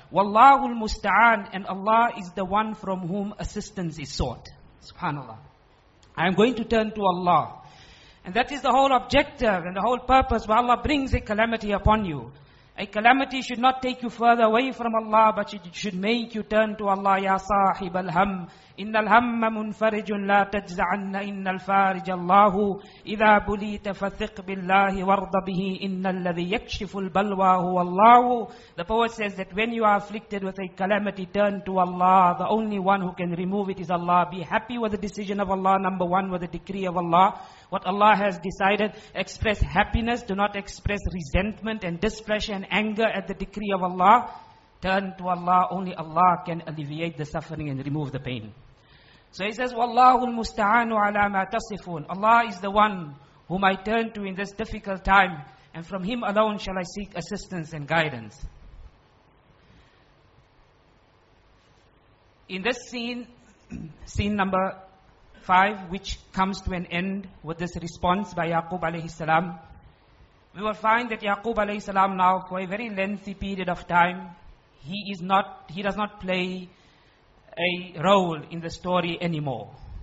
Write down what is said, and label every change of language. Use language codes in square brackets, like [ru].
[en] Wallahu al-musta'an, and Allah is the one from whom assistance is sought. Subhanallah. I am going to turn to Allah. And that is the whole objective and the whole purpose why Allah brings a calamity upon you. A calamity should not take you further away from Allah, but it should make you turn to Allah. Ya sahib al-ham, [ar] إن الهم منفرج لا تجزعن إن الفارج الله إذا بليت فثق بالله وارض به إن الذي يكشف البلوى هو الله. [en] The poet says that when you are afflicted with a calamity, turn to Allah. The only one who can remove it is Allah. Be happy with the decision of Allah, number one, with the decree of Allah. What Allah has decided, express happiness. Do not express resentment and displeasure and anger at the decree of Allah. Turn to Allah, only Allah can alleviate the suffering and remove the pain. [ar] So he says, وَاللَّهُ الْمُسْتَعَانُ عَلَىٰ مَا تَصِفُونَ. [en] Allah is the one whom I turn to in this difficult time, and from Him alone shall I seek assistance and guidance. In this scene number 5, which comes to an end with this response by Yaqub alayhi salam, we will find that Yaqub alayhi salam now, for a very lengthy period of time, he does not play a role in the story anymore.